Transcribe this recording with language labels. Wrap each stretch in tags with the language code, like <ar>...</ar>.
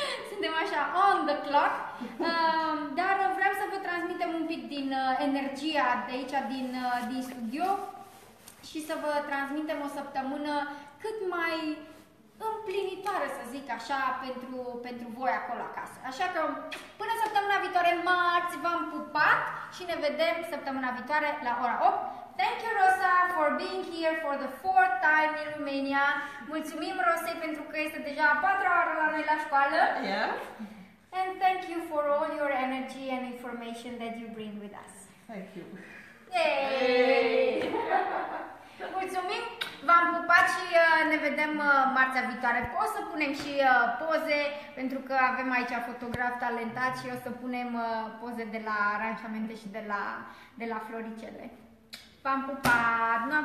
<ro>Suntem așa</ro> <en>on the clock,</en> <ro>dar vreau să vă transmitem un pic din energia de aici, din studio și să vă transmitem o săptămână cât mai împlinitoare, să zic așa, pentru voi acolo acasă. Așa că până săptămâna viitoare, marți, v-am pupat și ne vedem săptămâna viitoare la ora 8.</ro> <en>Thank you, Rosa, for being here for the fourth time in Romania.</en> <ro>Mulțumim, Rosa, pentru că este deja a patra oară la noi la școală. Yeah.</ro> <en>And thank you for all your energy and information that you bring with us. Thank you. Yay!</en> <ro>Mulțumim, v-am pupat și ne vedem marțea viitoare. O să punem și poze, pentru că avem aici fotograf talentat și o să punem poze de la aranjamente și de la floricele. Pam, pam, pam.</ro>